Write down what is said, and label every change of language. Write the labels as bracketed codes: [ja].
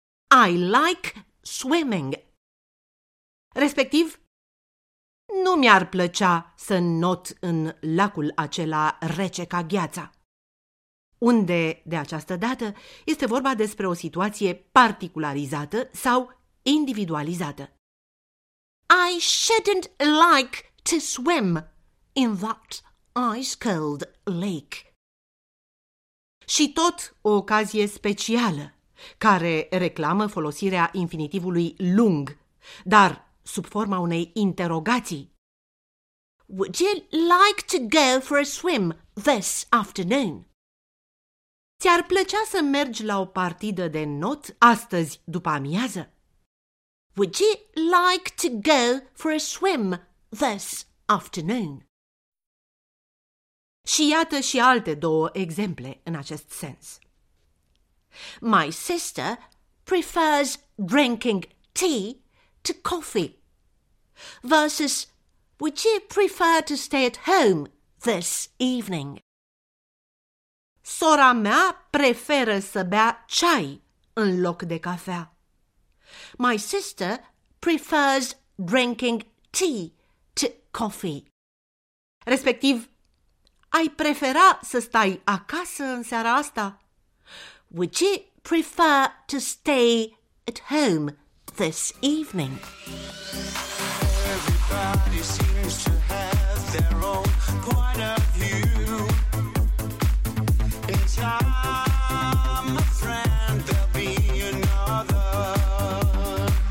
[en] I like swimming. [ro] Respectiv, nu mi-ar plăcea să not în lacul acela rece ca gheața. Unde, de această dată, este vorba despre o situație particularizată sau individualizată. [en] I shouldn't like to swim in that ice-cold lake. [ro] Și tot o ocazie specială, care reclamă folosirea infinitivului lung, dar sub forma unei interogații. [en] Would you like to go for a swim this afternoon? [ro] Ți-ar plăcea să mergi la o partidă de not astăzi după amiază? [en] Would you like to go for a swim this afternoon? [ro] Și iată și alte două exemple în acest sens. [en] My sister prefers drinking tea to coffee versus would you prefer to stay at home this evening? [ro] Sora mea preferă să bea ceai în loc de cafea. [en] My sister prefers drinking tea to coffee. [ro] Respectiv, ai prefera să stai acasă în seara asta? [en] Would you prefer to stay at home this evening? Everybody seems to have their own point of view. I'm a friend, there'll be another.